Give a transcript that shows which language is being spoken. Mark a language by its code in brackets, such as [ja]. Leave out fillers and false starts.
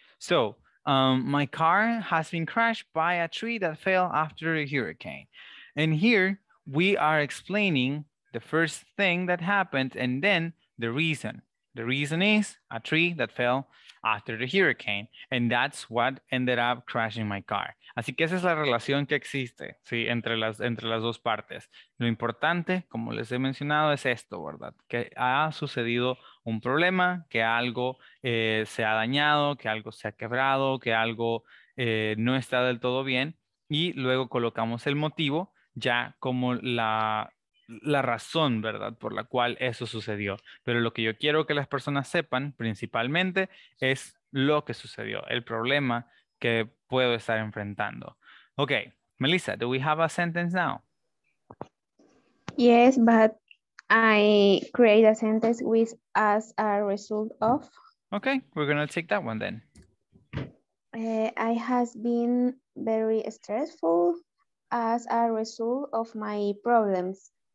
[en] So, my car has been crashed by a tree that fell after a hurricane. And here we are explaining the first thing that happened and then the reason. The reason is a tree that fell after the hurricane. And that's what ended up crashing my car. [es] Así que esa es la relación que existe, ¿sí? entre las dos partes. Lo importante, como les he mencionado, es esto, ¿verdad? Que ha sucedido un problema, que algo se ha dañado, que algo se ha quebrado, que algo no está del todo bien. Y luego colocamos el motivo ya como la razón, ¿verdad?, por la cual eso sucedió. Pero lo que yo quiero que las personas sepan principalmente es lo que sucedió, el problema que puedo estar enfrentando. [en] Ok, Melissa, do we have a sentence now? Yes, but I create a sentence with as a result of. Ok, we're gonna take that one then. I has been very stressful as a result of my problems.